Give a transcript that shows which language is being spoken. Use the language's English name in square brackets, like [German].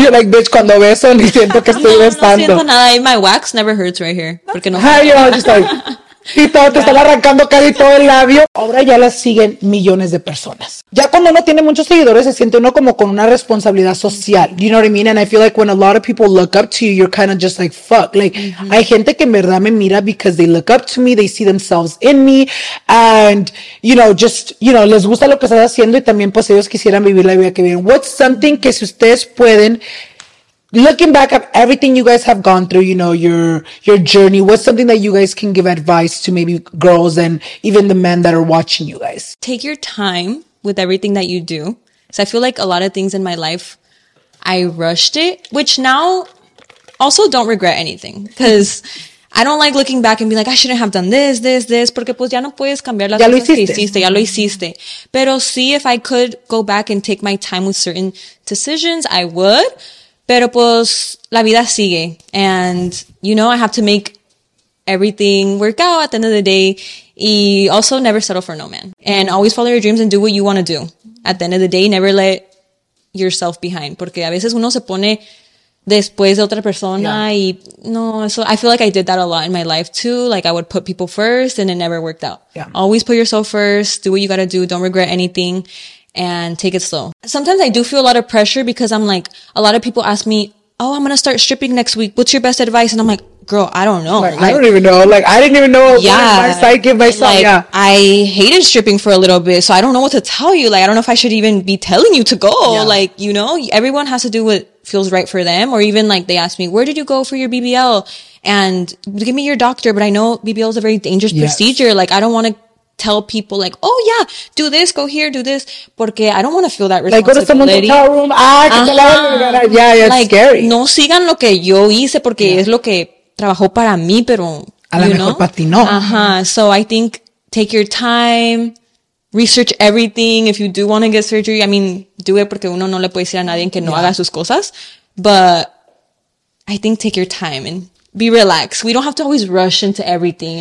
[English] You're like, bitch, [Spanish] cuando beso, ni siento que estoy besando. No siento nada. [English] My wax never hurts right here. [Spanish] Porque no. [English] Hi, you're all just like, [Spanish] y todo, te están arrancando casi todo el labio. Ahora ya las siguen millones de personas. Ya cuando uno tiene muchos seguidores, se siente uno como con una responsabilidad social. [English] You know what I mean? And I feel like when a lot of people look up to you, you're kind of just like, fuck. [Spanish] Like, hay gente que en verdad me mira [English] because they look up to me, they see themselves in me, and, you know, [Spanish] just, you know, les gusta lo que estás haciendo y también pues ellos quisieran vivir la vida que viven. [English] What's something [Spanish] que si ustedes pueden... [English] Looking back at everything you guys have gone through, you know, your journey, what's something that you guys can give advice to maybe girls and even the men that are watching you guys? Take your time with everything that you do. So I feel like a lot of things in my life, I rushed it, which now also don't regret anything because I don't like looking back and be like, I shouldn't have done this. [Spanish] Porque pues ya no puedes cambiar las cosas que hiciste. Ya lo hiciste. Pero sí, [English] if I could go back and take my time with certain decisions, I would. [Spanish] Pero pues, la vida sigue. [English] And, you know, I have to make everything work out at the end of the day. Y also never settle for no man. And always follow your dreams and do what you want to do. At the end of the day, never let yourself behind. [Spanish] Porque a veces uno se pone después de otra persona. [English] Yeah. [Spanish] Y no, [English] so I feel like I did that a lot in my life too. Like I would put people first and it never worked out. Yeah. Always put yourself first. Do what you got to do. Don't regret anything. And take it slow. Sometimes I do feel a lot of pressure because I'm like, a lot of people ask me, oh, I'm going to start stripping next week. What's your best advice? And I'm like, girl, I don't know. Like, I don't even know. Like, I didn't even know what advice I give myself. Like, yeah. I hated stripping for a little bit. So I don't know what to tell you. Like, I don't know if I should even be telling you to go. Yeah. Like, you know, everyone has to do what feels right for them. Or even like they ask me, where did you go for your BBL? And give me your doctor. But I know BBL is a very dangerous procedure. Like, I don't want to tell people like, oh yeah, do this, go here, do this, porque I don't want to feel that responsibility. Like go to someone's hotel room. Yeah, like, scary. [Spanish] No sigan lo que yo hice porque es lo que trabajó para mí, pero a lo mejor para ti no. [English] So I think take your time, research everything. If you do want to get surgery, I mean, do it [Spanish] porque uno no le puede decir a nadie que no haga sus cosas. [English] But I think take your time and be relaxed. We don't have to always rush into everything.